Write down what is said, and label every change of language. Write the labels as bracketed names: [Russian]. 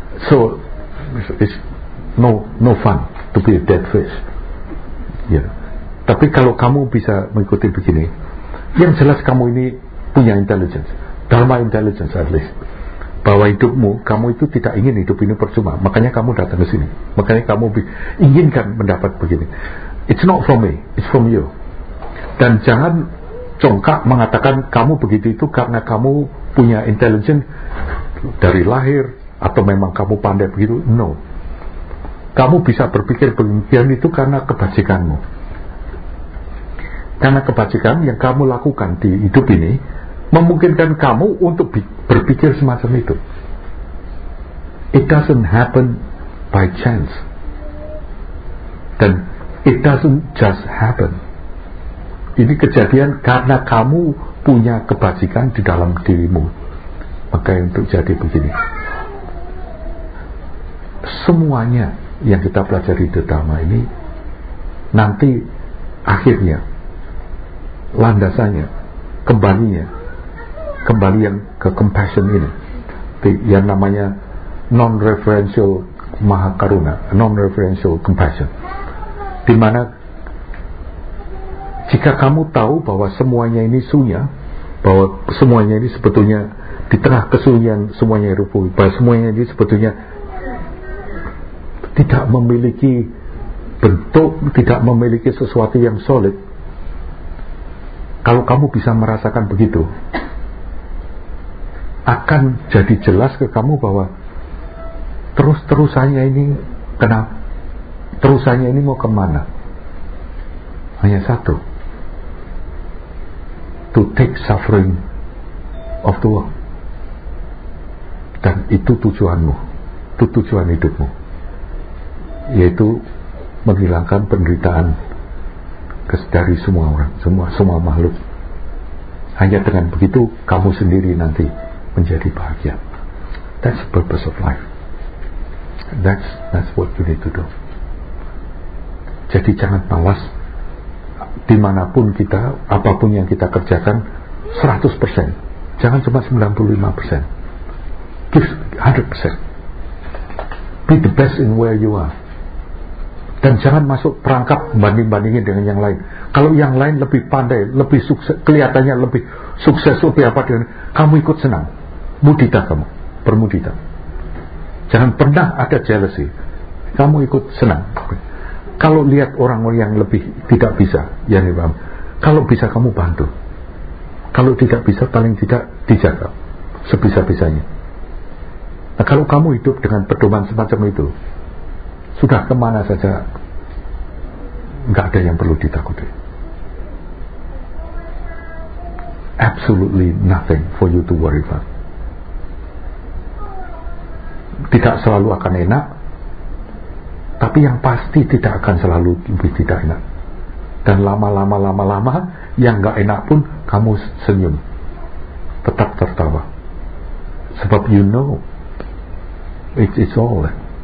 [English] So it's no fun to be a dead fish, you know. [Indonesian] Tapi kalau kamu bisa mengikuti begini, yang jelas kamu ini punya intelligence, dharma intelligence at least, bahwa hidupmu, kamu itu tidak ingin hidup ini percuma. Makanya kamu datang ke sini. Makanya kamu inginkan mendapat begini. [English] It's not from me, it's from you. [Indonesian] Dan jangan congkak mengatakan kamu begitu itu karena kamu punya intelligence dari lahir atau memang kamu pandai begitu. [English] No. [Indonesian] Kamu bisa berpikir demikian itu karena kebajikanmu. Karena kebajikan yang kamu lakukan di hidup ini memungkinkan kamu untuk berpikir semacam itu. [English] It doesn't happen by chance. [Indonesian] Dan [English] it doesn't just happen. [Indonesian] Ini kejadian karena kamu punya kebajikan di dalam dirimu. Maka untuk jadi begini. Semuanya yang kita pelajari di Dhamma ini nanti akhirnya landasannya kembalinya kembali yang ke compassion ini, yang namanya non-referential maha karuna, non-referential compassion, di mana jika kamu tahu bahwa semuanya ini sunya, bahwa semuanya ini sebetulnya di tengah kesunyian, semuanya rupu, bahwa semuanya ini sebetulnya tidak memiliki bentuk, tidak memiliki sesuatu yang solid. Kalau kamu bisa merasakan begitu, akan jadi jelas ke kamu bahwa terus-terusannya ini kenapa? Terusannya ini mau kemana? Hanya satu, [English] to take suffering of the world. [Indonesian] Dan itu tujuanmu, itu tujuan hidupmu, yaitu menghilangkan penderitaan dari semua orang, semua makhluk. Hanya dengan begitu kamu sendiri nanti menjadi bahagia. [English] That's the purpose of life. That's what you need to do. [Indonesian] Jadi jangan malas. Dimanapun kita, apapun yang kita kerjakan, 100%. Jangan cuma 95%. [English] Give 100%. Be the best in where you are. [Indonesian] Dan jangan masuk perangkap banding-bandingin dengan yang lain. Kalau yang lain lebih pandai, lebih sukses, kelihatannya lebih sukses, lebih apa dengan kamu, ikut senang. Mudita kamu, bermudita. Jangan pernah ada jealousy. Kamu ikut senang. Kalau lihat orang-orang yang lebih tidak bisa, ya nih, kalau bisa kamu bantu. Kalau tidak bisa, paling tidak dijaga sebisa-bisanya. Nah, kalau kamu hidup dengan pedoman semacam itu, sudah kemana saja enggak ada yang perlu ditakuti. [English] Absolutely nothing for you to worry about. [Indonesian] Tidak selalu akan enak, tapi yang pasti tidak akan selalu lebih tidak enak. Dan lama-lama yang enggak enak pun kamu senyum, tetap tertawa, sebab [English] you know it's all there.